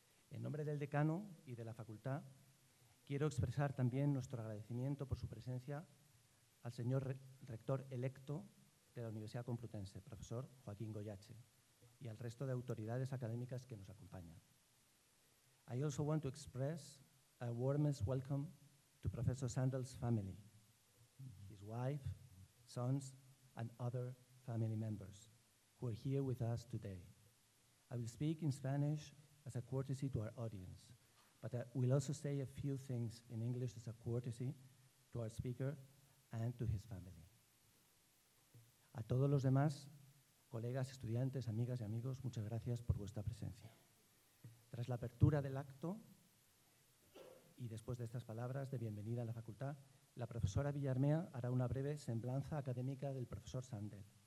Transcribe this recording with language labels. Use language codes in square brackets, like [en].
[es] En nombre del decano y de la facultad, quiero expresar también nuestro agradecimiento por su presencia al señor rector electo de la Universidad Complutense, profesor Joaquín Goyache, y al resto de autoridades académicas que nos acompañan. [en] I also want to express a warmest welcome to Professor Sandel's family, his wife, sons, and other family members who are here with us today. I will speak in Spanish as a courtesy to our audience, but I will also say a few things in English as a courtesy to our speaker and to his family. [es] A todos los demás, colegas, estudiantes, amigas y amigos, muchas gracias por vuestra presencia. Tras la apertura del acto y después de estas palabras de bienvenida a la facultad, la profesora Villarmea hará una breve semblanza académica del profesor Sandel.